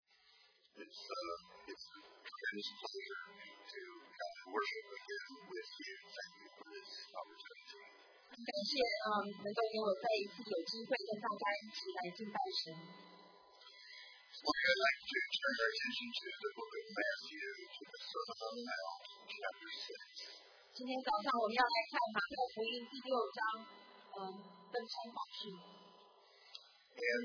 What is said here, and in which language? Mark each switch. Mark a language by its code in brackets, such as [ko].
[en] it's a tremendous pleasure to come to worship again with you. Thank you for this opportunity. [zh] 感谢能够给我再一次有机会跟大家一起来敬拜神。 [en] We would like to turn our attention to the book of Matthew, to the Sermon on the Mount, chapter 6. [zh] 今天早上我们要来看马太福音第六章，分三部分。 [en] And